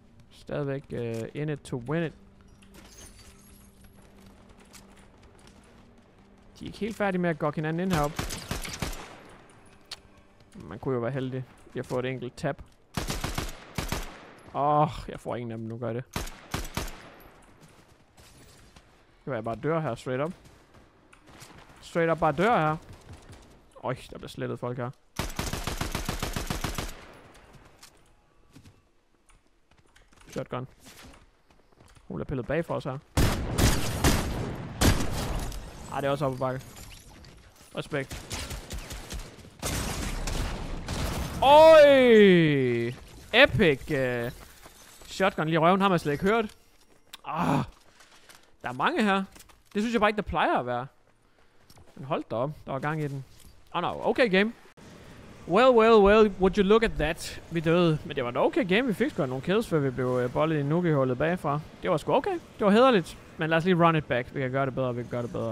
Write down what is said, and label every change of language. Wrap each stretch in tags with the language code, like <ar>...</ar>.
<da>Stadigvæk</da> <en>in it to win it.</en> <da>De er ikke helt færdige med at gå hinanden ind heroppe. Man kunne jo være heldig. Jeg får et enkelt tap. Åh, jeg får ingen af dem nu, gør det. Det var jeg bare dør her,</da> <en>straight up. Straight up</en> <da>bare dør her. Øj, der bliver slettet folk her. Shotgun. Hun bliver pillet bag for os her. Ej, det er også oppe på bakke. Respekt. Øj! Epic! Shotgun lige i røven, har man slet ikke hørt. Arh, der er mange her. Det synes jeg bare ikke, der plejer at være. Men hold da op, der var gang i den.</da> <en>Oh no, okay game. Well, well, well, would you look at that?</en> <da>Vi døde. Men det var en</da> <en>okay game,</en> <da>vi fik sgu nogle kills, før vi blev bollet i nukkehullet bagfra. Det var sgu okay, det var hederligt. Men lad os lige</da> <en>run it back,</en> <da>vi kan gøre det bedre, vi kan gøre det bedre.</da>